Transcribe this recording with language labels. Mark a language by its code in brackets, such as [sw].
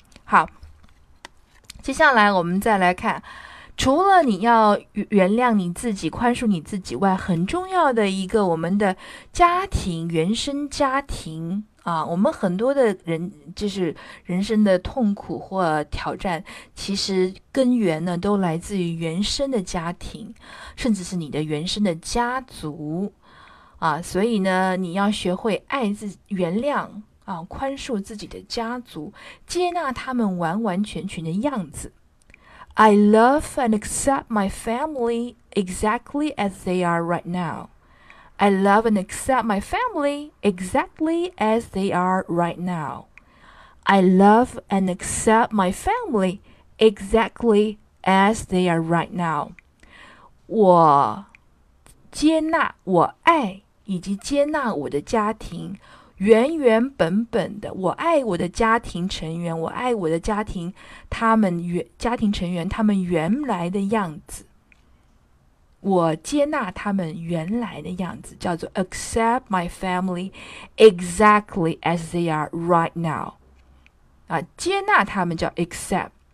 [zh] 好，接下来我们再来看，除了你要原谅你自己、宽恕你自己外，很重要的一个我们的家庭、原生家庭啊，我们很多的人就是人生的痛苦或挑战，其实根源呢都来自于原生的家庭，甚至是你的原生的家族啊。所以呢，你要学会爱自己、原谅啊，宽恕自己的家族，接纳他们完完全全的样子。 [en] I love and accept my family exactly as they are right now. I love and accept my family exactly as they are right now. I love and accept my family exactly as they are right now. [zh] 我接纳、我爱以及接纳我的家庭。原原本本的，我爱我的家庭成员，我爱我的家庭，家庭成员他们原来的样子，我接纳他们原来的样子，叫做 [en] accept my family exactly as they are right now [zh] 啊，接纳他们叫 accept。